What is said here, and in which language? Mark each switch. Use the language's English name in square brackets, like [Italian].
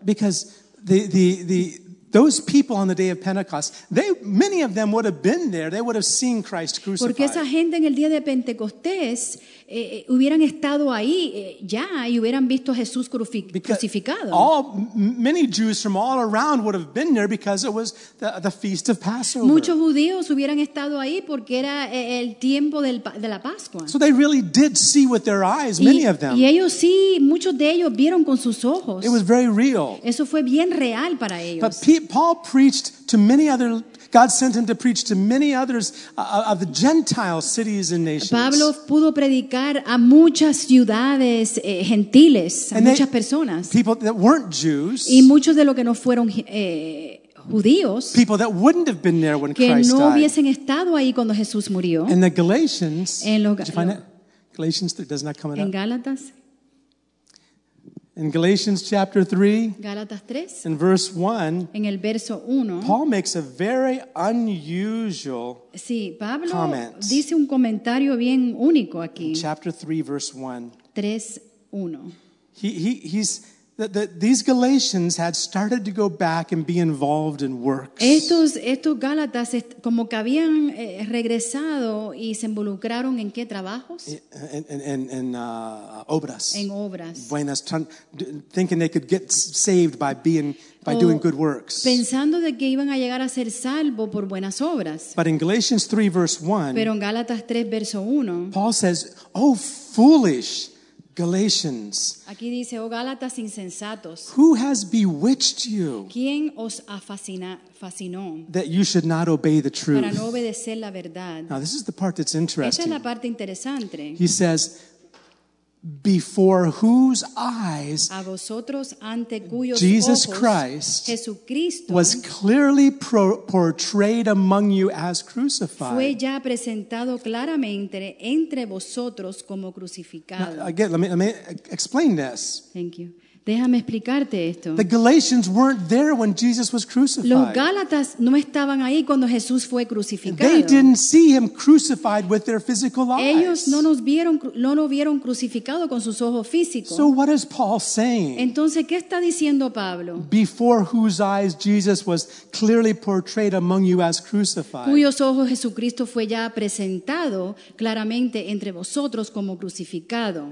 [English] Because those people on the day of Pentecost, many of them would have been there. They would have seen Christ crucified. [Spanish] Porque esa gente en el día de Pentecostés hubieran estado ahí ya y hubieran visto a Jesús crucificado. [English] Many Jews from all around would have been there because it was the feast of Passover. [Spanish] Muchos judíos hubieran estado ahí porque era el tiempo de la Pascua. [English] So they really did see with their eyes, many of them. [Spanish] Y ellos sí, muchos de ellos vieron con sus ojos. [English] It was very real. [Spanish] Eso fue bien real para ellos. [English] Paul preached to many other, God sent him to preach to many others of the Gentile cities and nations. [Spanish] Pablo pudo predicar a muchas ciudades gentiles, a muchas personas. [English] People that weren't Jews. [Spanish] Y muchos de los que no fueron judíos. [English] People that wouldn't have been there when Christ died. [Spanish] Que no hubiesen estado ahí cuando Jesús murió. [English] And the Galatians, did you find it? Galatians 3, does not come [Spanish] in. En Gálatas. [English] In Galatians chapter 3, [Spanish] Gálatas 3, [English] in verse 1, [Spanish] en el verso 1, [English] Paul makes a very unusual comment. [Spanish] Sí, Pablo dice un comentario bien único aquí. [English] In chapter 3, verse 1. 3, 1. He's... These Galatians had started to go back and be involved in works. [Spanish] Estos Gálatas como que habían regresado y se involucraron en qué trabajos? En obras. En obras. Buenas, [English] thinking they could get saved by doing good works. [Spanish] Pensando de que iban a llegar a ser salvo por buenas obras. [English] But in Galatians 3 verse 1. [Spanish] Pero en Gálatas 3 verso 1. [English] Paul says, "Oh foolish Galatians, [Spanish] aquí dice, oh Gálatas insensatos, [English] who has bewitched you? [Spanish] ¿Quién os ha fascinó? [English] That you should not obey the truth. [Spanish] Para no obedecer la verdad. [English] Now this is the part that's interesting. [Spanish] Esta es la parte interesante. [English] He says, before whose eyes [Spanish] a vosotros, ante cuyos [English] Jesus [Spanish] ojos, [English] Christ [Spanish] Jesucristo, [English] was clearly portrayed among you as crucified. [Spanish] Fue ya presentado claramente entre vosotros como crucificado. [English] Now, again, let me explain this. Thank you. [Spanish] Déjame explicarte esto. [English] The Galatians weren't there when Jesus was crucified. [Spanish] Los Gálatas no estaban ahí cuando Jesús fue crucificado. [English] They didn't see him crucified with their physical eyes. [Spanish] Ellos no lo vieron crucificado con sus ojos físicos. [English] So what is Paul saying? [Spanish] Entonces, ¿qué está diciendo Pablo? [English] Before whose eyes Jesus was clearly portrayed among you as crucified. [Spanish] Cuyos ojos Jesucristo fue ya presentado claramente entre vosotros como crucificado.